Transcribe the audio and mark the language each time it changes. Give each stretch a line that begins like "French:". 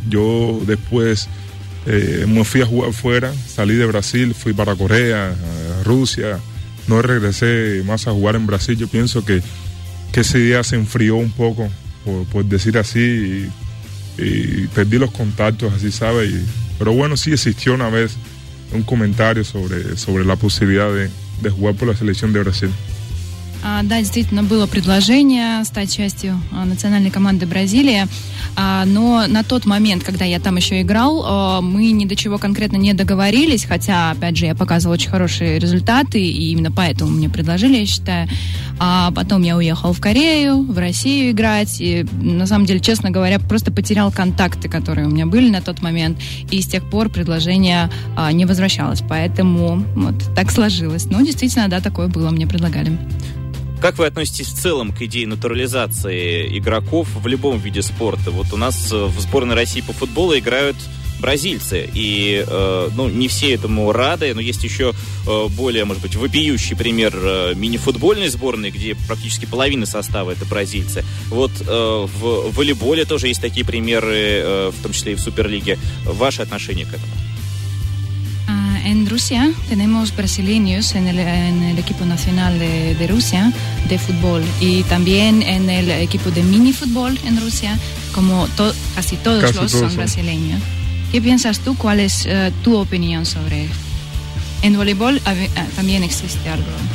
Spanish: Yo después me fui a jugar fuera, salí de Brasil, fui para Corea, Rusia, no regresé más a jugar en Brasil. Yo pienso que esa idea se enfrió un poco, por decir así, y perdí los contactos, así, ¿sabes? Pero bueno, sí existió una vez un comentario sobre la posibilidad de jugar por la Selección de Brasil.
Russian: Да, действительно, было предложение стать частью национальной команды Бразилии, но на тот момент, когда я там еще играл, мы ни до чего конкретно не договорились, хотя, опять же, я показывала очень хорошие результаты, и именно поэтому мне предложили, я считаю. А потом я уехал в Корею, в Россию играть, и, на самом деле, честно говоря, просто потерял контакты, которые у меня были на тот момент, и с тех пор предложение не возвращалось, поэтому вот так сложилось. Ну, действительно, да, такое было, мне предлагали. Как вы относитесь в целом к идее натурализации игроков в любом виде спорта? Вот у нас в сборной России по футболу играют бразильцы, и ну, не все этому рады, но есть еще более, может быть, вопиющий пример мини-футбольной сборной, где практически половина состава — это бразильцы. Вот в волейболе тоже есть такие примеры, в том числе и в Суперлиге. Ваше отношение к этому?
Spanish: En Rusia tenemos brasileños en el equipo nacional de Rusia de fútbol y también en el equipo de mini fútbol en Rusia, como casi todos son brasileños. ¿Qué piensas tú? ¿Cuál es tu opinión sobre él? En voleibol también existe algo.